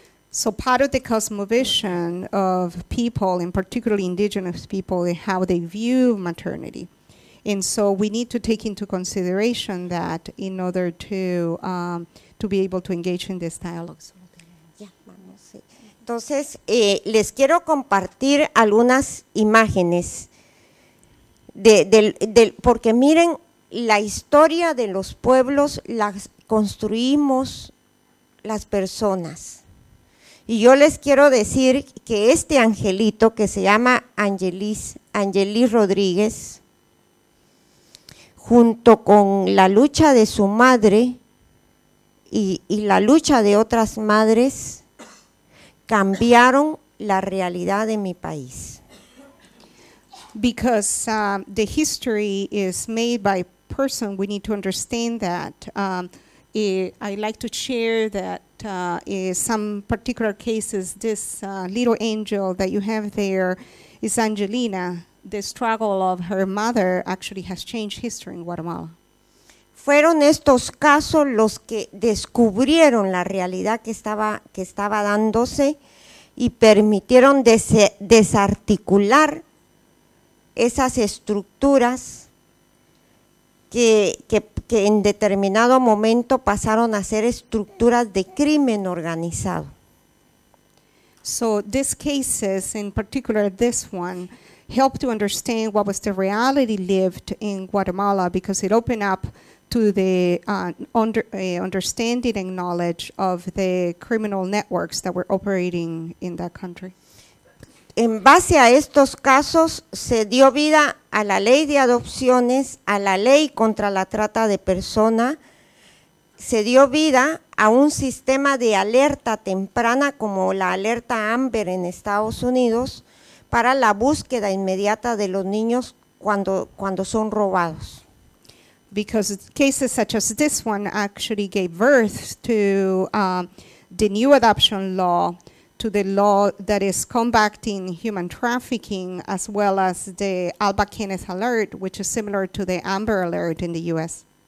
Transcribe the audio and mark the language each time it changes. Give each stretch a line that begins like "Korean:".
English: So part of the cosmovision of people, and particularly indigenous people, is how they view maternity. And so we need to take into consideration that in order to be able to engage in this dialogue.
Spanish: Yeah, vamos. Entonces, les quiero compartir algunas imágenes de porque miren, la historia de los pueblos las construimos las personas. Y yo les quiero decir que este angelito que se llama Angelis Rodríguez, junto con la lucha de su madre y la lucha de otras madres, cambiaron la realidad de mi país.
English: Because the history is made by person, we need to understand that. I'd like to share that some particular cases, this little angel that you have there is Angelina. The struggle of her mother actually has changed history in Guatemala.
Spanish: Fueron estos casos los que descubrieron la realidad que estaba dándose y permitieron desarticular esas estructuras que en determinado momento pasaron a ser estructuras de crimen organizado.
English: So these cases, in particular this one, help to understand what was the reality lived in Guatemala because it opened up to the understanding and knowledge of the criminal networks that were operating in that country.
Spanish: En base a estos casos, se dio vida a la ley de adopciones, a la ley contra la trata de persona, se dio vida a un sistema de alerta temprana como la alerta Amber en Estados Unidos para la búsqueda inmediata de los niños cuando son robados.
English: Because cases such as this one actually gave birth to the new adoption law, to the law that is combating human trafficking, as well as the Alba Kenneth Alert, which is similar to the Amber Alert in the U.S.